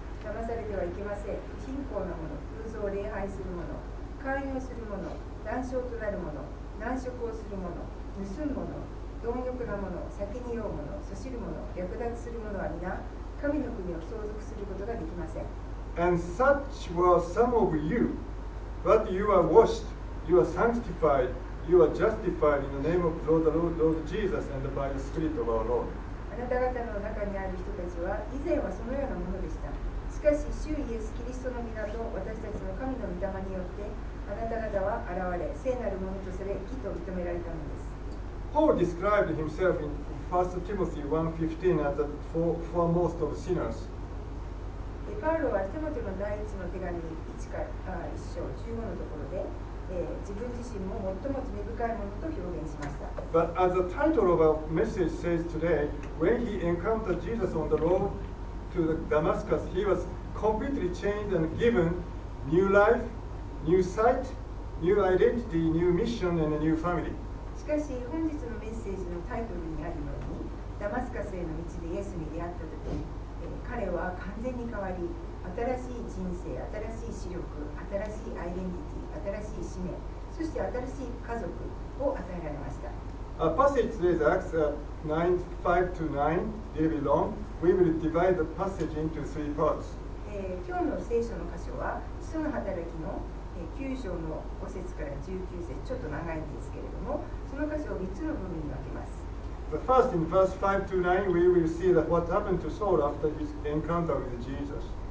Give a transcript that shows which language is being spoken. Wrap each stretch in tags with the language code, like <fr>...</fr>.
<ja>騙されてはいけません。信仰のもの、偶像を礼拝するもの、勧誘するもの、談笑となるもの、難色をするもの、盗むもの、貪欲なもの、酒に酔うもの、そしるもの、略奪するものは皆神の国を相続することができません。</ja> <en>And such were some of you, but you are washed, you are sanctified, You are justified in the name of the Lord, Lord Jesus and by the Spirit of our Lord.</en> <ja>あなた方の中にある人たちは以前はそのようなものでした。しかし主イエスキリストの御名と私たちの神の御霊によってあなた方は現れ聖なるものとされ義と認められたのです。</ja> <en>Paul described himself in 1 Timothy 1:15 as the foremost of sinners.</en> <ja>パウロはテモテの第一の手紙1章15のところで、自分自身も最も罪深いものと表現しました。</ja> <en>But as the title of our message says today, when he encountered Jesus on the road to the Damascus, he was completely changed and given new life, new sight, new identity, new mission, and a new family.</en> <ja>しかし本日のメッセージのタイトルにあるように、ダマスカスへの道でイエスに出会ったとき、彼は完全に変わり、新しい人生、新しい視力、新しいアイデンティティ、新しい使命、そして新しい家族を与えられました。</ja> <en>Our passage today is Acts 9:5-9, a little bit long. We will divide the passage into three parts.</en> <ja>今日の聖書の箇所は、使徒の働きの9章の5節から19節、ちょっと長いんですけれども、その箇所を3つの部分に分けます。</ja> <en>The first, in verse 5 to 9, we will see that what happened to Saul after his encounter with Jesus.</en>